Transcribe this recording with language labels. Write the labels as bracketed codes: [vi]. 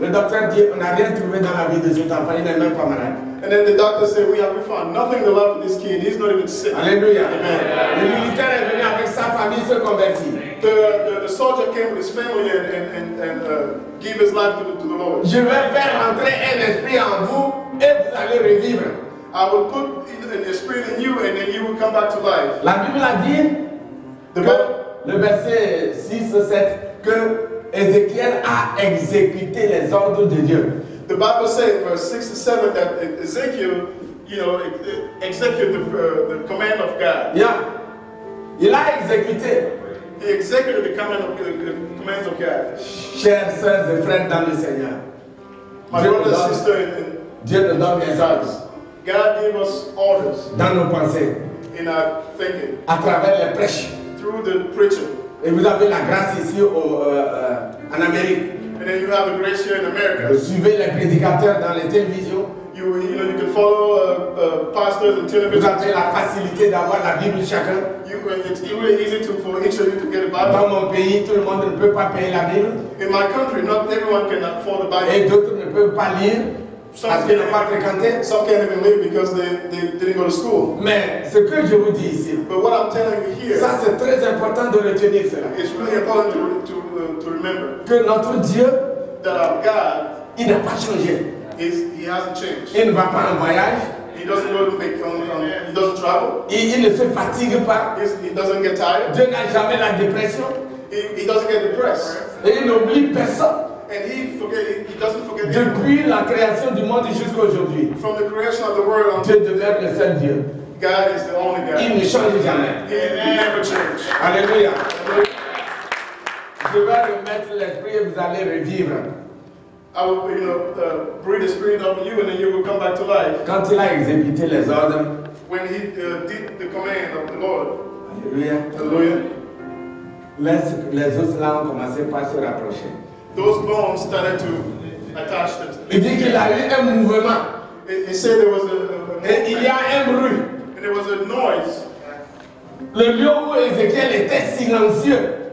[fr] Le docteur dit on n'a rien trouvé dans la vie de cet enfant. Il n'est même pas malade. [en] And then the doctor said, we found nothing to love for this kid. He's not even sick. [fr] Alleluia. [en] Amen. [fr] Le militaire est venu avec sa famille se convertir. [en] The soldier came with his family and gave his life to the Lord. [fr] Je vais faire entrer un esprit en vous et vous allez revivre. [en] I will put an spirit in you and then you will come back to life. [fr] La Bible a dit, le verset 6 ou 7, que Ézéchiel a exécuté les ordres de Dieu. [en] The Bible says, verse 6 to 7, that Ezekiel, you know, executed the command of God. [fr] Yeah. Il a exécuté. [en] He executed the command of God. [fr] Chers sœurs et frères dans le Seigneur. [en] My brother, sister, [fr] Dieu nous donne des ordres. [en] God gave us orders. [fr] Dans nos pensées. [en] In our thinking. [fr] À travers les prêches. [en] Through the preaching. [fr] Et vous avez la grâce ici en Amérique. [en] and then you have a great share in America. [fr] Vous suivez les prédicateurs dans les télévisions. [en] You can follow pastors and television. [fr] Vous avez la facilité d'avoir la Bible chacun. [en] It's really easy to, for each of you to get a Bible. [fr] Dans mon pays, tout le monde ne peut pas payer la Bible. [en] In my country, not everyone can afford a Bible. [fr] Et d'autres ne peuvent pas lire. [en] Some can't even live because they didn't go to school. [fr] Mais ce que je vous dis ici, [en] but what I'm telling you here, [fr] ça c'est très important de retenir cela. [en] It's really important to remember [fr] que notre Dieu, [en] that our God, [fr] il n'a pas changé. [en] He hasn't changed. [fr] Il ne va pas en voyage. [en] He doesn't go to vacation. He doesn't travel. [fr] Il ne se fatigue pas. [en] He doesn't get tired. [fr] Dieu n'a jamais la dépression. [en] He doesn't get depressed. [fr] Et il n'oublie personne. [en] And he doesn't forget [fr] the depuis la création du monde jusqu'à aujourd'hui. [en] From the creation of the world on, [fr] Dieu demeure le seul Dieu. [en] God is the only God. [fr] Il ne change jamais. [en] He never changes. [fr] Alléluia. Je vais remettre l'esprit et vous allez revivre. [en] I will, you know, breathe the spirit of you and then you will come back to life. [fr] Quand il a exécuté les ordres. [en] When he did the command of the Lord. [fr] Alléluia. Alléluia. Les autres là ont commencé par se rapprocher. [en] Those bones started to attach it. [fr] Il dit qu'il a eu un mouvement. [en] He said there was a [fr] et il y a un bruit. [en] And there was a noise. [fr] Le lieu où Ezekiel était silencieux.